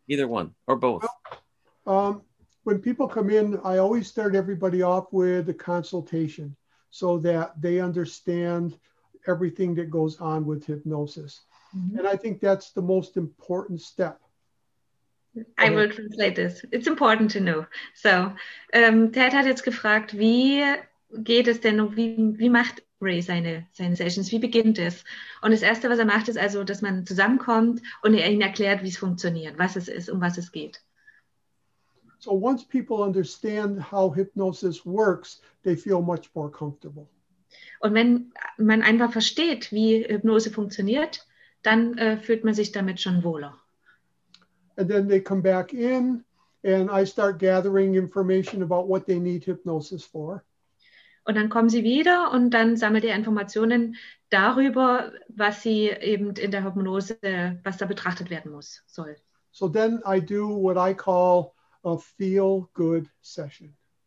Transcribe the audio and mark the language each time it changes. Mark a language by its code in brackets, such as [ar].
[en] Either one, or both. Well, when people come in, I always start everybody off with a consultation so that they understand everything that goes on with hypnosis. Mm-hmm. And I think that's the most important step. I will translate this. It's important to know. [de] So, Ted hat jetzt gefragt, wie geht es denn, wie macht Ray seine Sessions, wie beginnt es? Und das Erste, was er macht, ist also, dass man zusammenkommt und er ihnen erklärt, wie es funktioniert, was es ist, um was es geht. [en] So once people understand how hypnosis works, they feel much more comfortable. [de] Und wenn man einfach versteht, wie Hypnose funktioniert, dann fühlt man sich damit schon wohler. [en] And then they come back in and I start gathering information about what they need hypnosis for. [de] Und dann kommen sie wieder und dann sammelt ihr Informationen darüber, was sie eben in der Hypnose, was da betrachtet werden muss, soll. [en] So then I do what I call a feel good session.